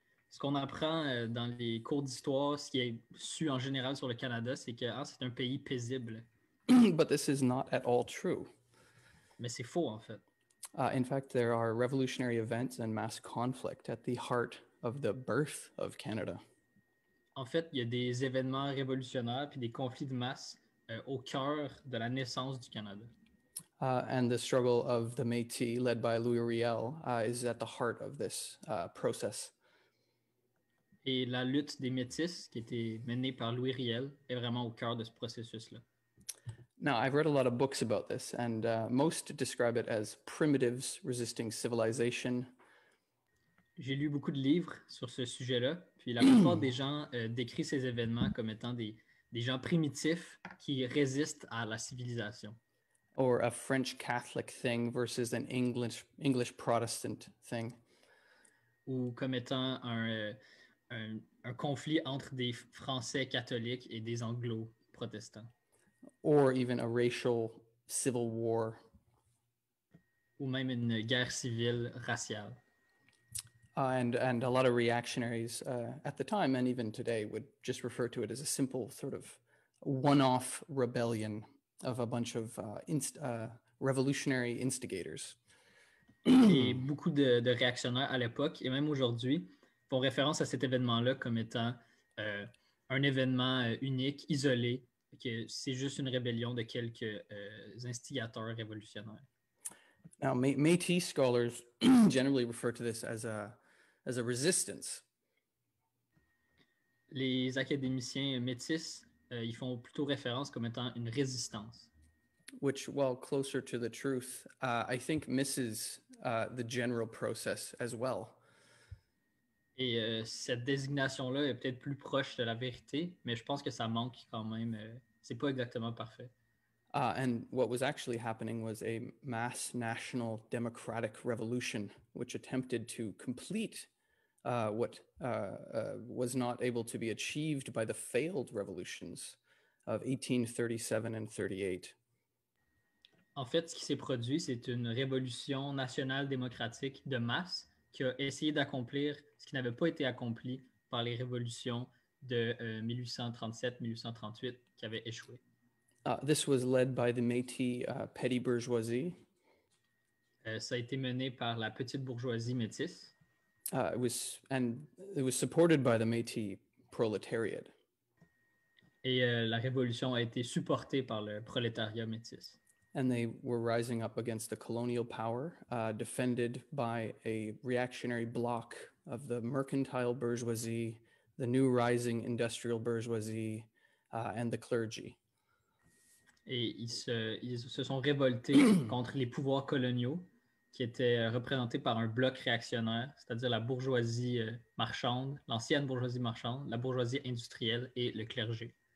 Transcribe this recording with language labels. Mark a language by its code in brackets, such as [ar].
[fr] Ce qu'on apprend dans les cours d'histoire, ce qui est su en général sur le Canada, c'est que c'est un pays paisible. [en] But this is not at all true. [fr] Mais c'est faux, en fait. [en] In fact, there are revolutionary events and mass conflict at the heart of the birth of Canada. [fr] En fait, il y a des événements révolutionnaires puis des conflits de masse au cœur de la naissance du Canada. [en] And the struggle of the Métis, led by Louis Riel, is at the heart of this process. [fr] Et la lutte des Métis, qui était menée par Louis Riel, est vraiment au cœur de ce processus-là. [en] Now, I've read a lot of books about this, and most describe it as primitives resisting civilization. [fr] J'ai lu beaucoup de livres sur ce sujet-là, puis la plupart des gens décrit ces événements comme étant des gens primitifs qui résistent à la civilisation. [en] Or a French Catholic thing versus an English Protestant thing. [fr] Ou comme étant un conflit entre des Français catholiques et des Anglo-protestants. [en] Or even a racial civil war. [fr] Ou même une guerre civile raciale. [en] And a lot of reactionaries at the time and even today would just refer to it as a simple sort of one-off rebellion of a bunch of revolutionary instigators. [fr] Et beaucoup de réactionnaires à l'époque et même aujourd'hui font référence à cet événement-là comme étant un événement unique, isolé, que c'est juste une rébellion de quelques instigateurs révolutionnaires. [en] Now, Métis scholars generally refer to this as a resistance. [fr] Les académiciens métis, ils font plutôt référence comme étant une résistance. [en] Which, well, closer to the truth, I think misses the general process as well. [fr] Et cette désignation-là est peut-être plus proche de la vérité, mais je pense que ça manque quand même. C'est pas exactement parfait. [en] And what was actually happening was a mass national democratic revolution, which attempted to complete was not able to be achieved by the failed revolutions of 1837 and 38. [fr] En fait, ce qui s'est produit, c'est une révolution nationale démocratique de masse qui a essayé d'accomplir ce qui n'avait pas été accompli par les révolutions de 1837-1838 qui avaient échoué. [en] This was led by the Métis petty bourgeoisie. [fr] Ça a été mené par la petite bourgeoisie métisse. [en] It was supported by the Métis proletariat. [fr] Et la révolution a été supportée par le prolétariat métisse. [en] And they were rising up against the colonial power, defended by a reactionary bloc of the mercantile bourgeoisie, the new rising industrial bourgeoisie, and the clergy. [fr] Et ils se sont révoltés contre les pouvoirs coloniaux qui étaient représentés par un bloc réactionnaire, c'est-à-dire la bourgeoisie marchande, l'ancienne bourgeoisie marchande, la bourgeoisie industrielle et le clergé.